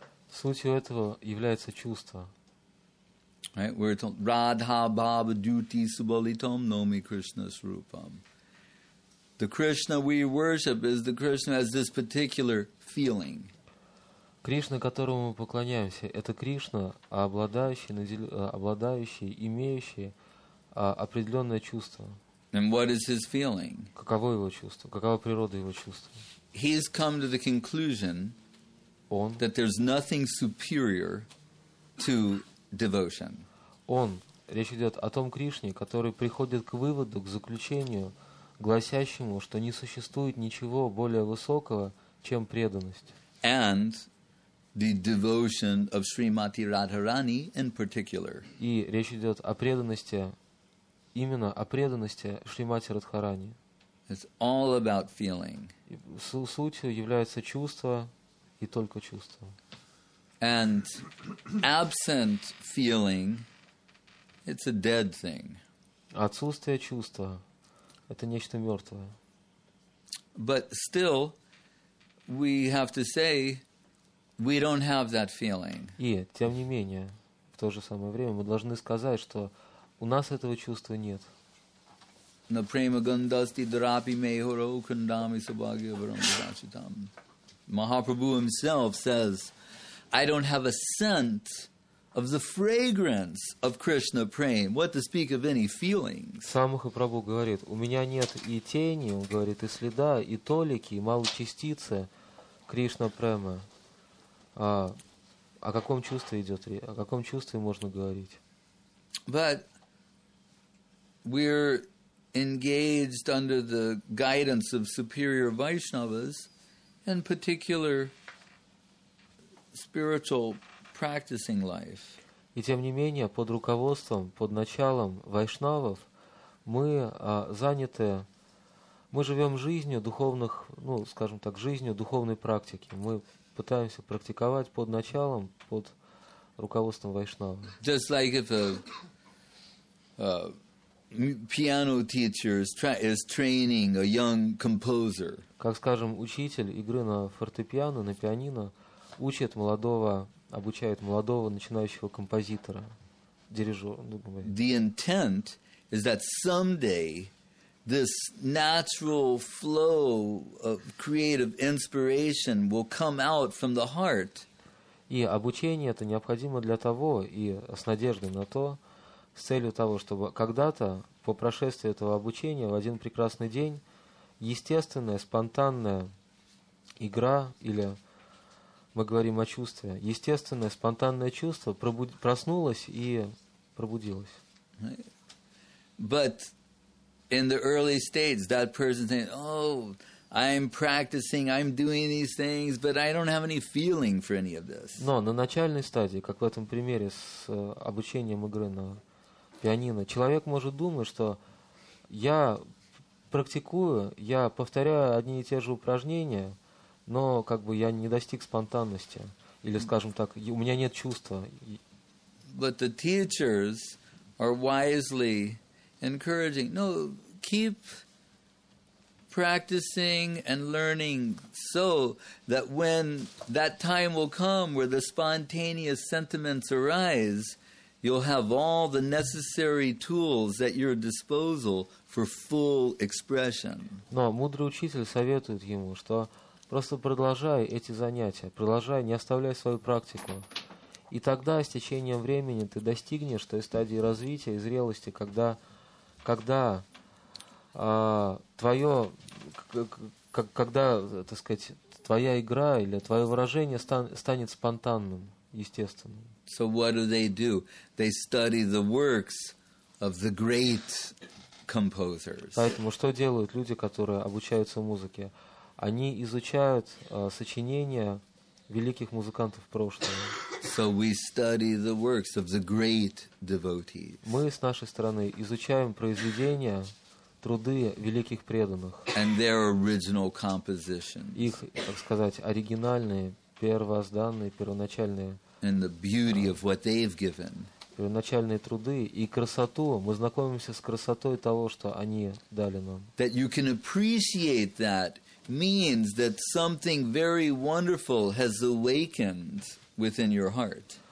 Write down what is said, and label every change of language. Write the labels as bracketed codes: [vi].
[ru] Суть этого является чувство. [en] Right, where it's [sa] Radha Bhava Duti Subalitam Nomi Krishna Srupam. [en] The Krishna we worship is the Krishna has this particular feeling. [ru] Krishna, которому мы поклоняемся, это Кришна, обладающий, имеющий определенное чувство. [en] And what is his feeling? [ru] Каково его чувство? Какова природа его чувства? [en] He has come to the conclusion that there's nothing superior to devotion. [ru] Он, речь идет о том Кришне, который приходит к выводу, к заключению, гласящему, что не существует ничего более высокого, чем преданность. [en] And the devotion of Srimati Radharani in particular. [ru] И речь идет о преданности, именно о преданности Шримати Радхарани. [en] It's all about feeling. [ru] Сутью является чувство и только чувство. [en] And absent feeling, it's a dead thing. [ru] Отсутствие чувства – это нечто мертвое. [en] But still, we have to say, we don't have that feeling. [ru] И, тем не менее, в то же самое время, мы должны сказать, что у нас этого чувства нет. [sa] На према гандасти дарапи мейхуро кандами сабаги аварамбарачитам. [en] Mahaprabhu himself says, I don't have a scent of the fragrance of Krishna Prem. What to speak of any feelings? [ru] Сам Махапрабху говорит, у меня нет и тени, он говорит, и следа, и толики, и малочастицы Кришна Према. О каком чувстве идет речь? О каком чувстве можно говорить? [en] But we're engaged under the guidance of superior Vaishnavas in particular spiritual practicing life. [ru] И тем не менее, под руководством, под началом вайшнавов, мы заняты, мы живем жизнью духовных, ну, скажем так, жизнью духовной практики. Мы пытаемся практиковать под началом, под руководством вайшнава. [en] Just like if a piano teacher is training a young composer. [ru] Как, скажем, учитель игры на фортепиано, на пианино, учит молодого, обучает молодого начинающего композитора, дирижера. [en] The intent is that someday this natural flow of creative inspiration will come out from the heart. [ru] И обучение это необходимо для того, и с надеждой на то, с целью того, чтобы когда-то, по прошествии этого обучения, в один прекрасный день, естественная, спонтанная игра, или мы говорим о чувстве, естественное, спонтанное чувство проснулось и пробудилось. [en] But in the early stages, that person saying, oh, I'm practicing, I'm doing these things, but I don't have any feeling for any of this. [ru] Но на начальной стадии, как в этом примере с обучением игры на пианино, человек может думать, что я практикую, я повторяю одни и те же упражнения, но как бы я не достиг спонтанности, или, скажем так, у меня нет чувства. [en] But the teachers are wisely encouraging, no, keep practicing and learning so that when that time will come where the spontaneous sentiments arise, you'll have all the necessary tools at your disposal for full expression. [ru] Но мудрый учитель советует ему, что просто продолжай эти занятия, продолжай, не оставляй свою практику. И тогда, с течением времени, ты достигнешь той стадии развития и зрелости, когда твоя игра или твое выражение станет спонтанным, естественным. [en] So what do? They study the works of the great composers. [ru] Поэтому что делают люди, которые обучаются музыке? Они изучают сочинения великих музыкантов прошлого. [en] So we study the works of the great devotees. [ru] Мы с нашей стороны изучаем произведения, труды великих преданных. [en] And their original compositions. [ru] Их, так сказать, оригинальные, первозданные, первоначальные. [en] And the beauty of what they've given. [ru] Первоначальные труды и красоту. Мы знакомимся с красотой того, что они дали нам. [en] That you can appreciate that means that something very wonderful has awakened within your heart.